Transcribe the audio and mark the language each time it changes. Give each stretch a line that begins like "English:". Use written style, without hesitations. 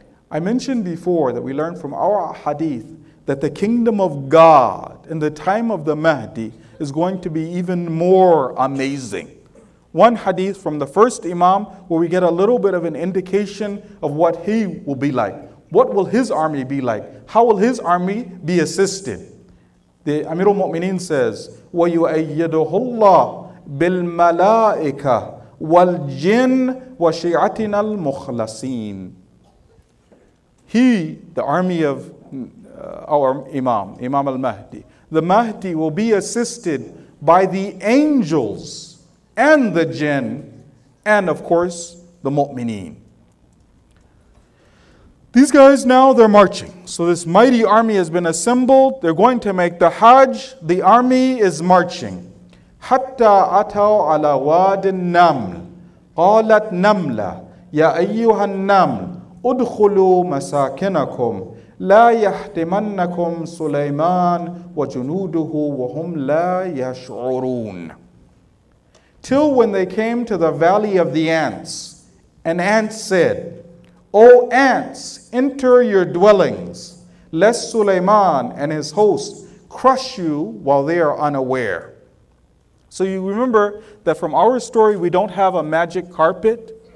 English: I mentioned before that we learned from our hadith that the kingdom of God in the time of the Mahdi is going to be even more amazing. One hadith from the first imam where we get a little bit of an indication of what he will be like. What will his army be like? How will his army be assisted? The Amir al-Mu'mineen says,
Arabic: وَيُؤَيَّدُهُ اللَّهُ بِالْمَلَائِكَةِ وَالْجِنِّ وَشِيعَتِنَا الْمُخْلَصِينَ.
English: He, the army of our Imam, Imam al-Mahdi, the Mahdi will be assisted by the angels and the jinn and, of course, the mu'mineen. These guys now, they're marching. So this mighty army has been assembled. They're going to make the Hajj. The army is marching.
Arabic: حَتَّى أَتَوْا عَلَى وَادِ النَّمْلِ قَالَتْ نَمْلَ يَا أَيُّهَا النَّمْلِ ادخلوا مساكنكم لا يحطمنكم سليمان وجنوده وهم لا يشعرون.
English: Till when they came to the valley of the ants, an ant said, O ants, enter your dwellings, lest Sulaiman and his host crush you while they are unaware. So you remember that from our story, we don't have a magic carpet.